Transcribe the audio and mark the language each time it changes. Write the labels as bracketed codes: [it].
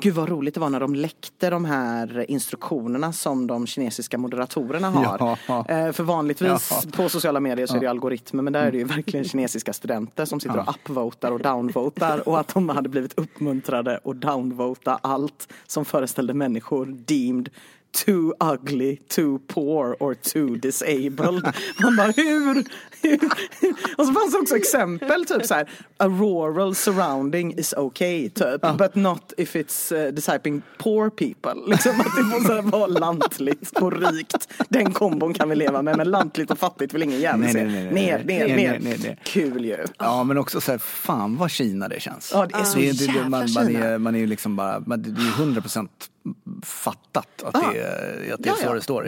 [sv] Gud, vad roligt det var när de läckte de här instruktionerna som de kinesiska moderatorerna har. Ja. För vanligtvis på sociala medier så är det algoritmer, men där är det ju verkligen kinesiska studenter som sitter och upvotar och downvotar, och att de hade blivit uppmuntrade och downvota allt som föreställde människor [en] deemed too ugly, too poor or too disabled. [sv] Man bara, hur? Och så fanns det också exempel, typ så här, [en] a rural surrounding is okay, [sv] typ, ja. [en] But not if it's disciping poor people. [sv] Liksom att det måste vara lantligt och rikt. Den kombon kan vi leva med, men lantligt och fattigt vill ingen gärna se. Ner. Kul ju. Ja, men också så här, fan vad Kina det känns. Ja, det är så det, jävla man är ju liksom bara, man, det är ju 100% fattat att det är så det står.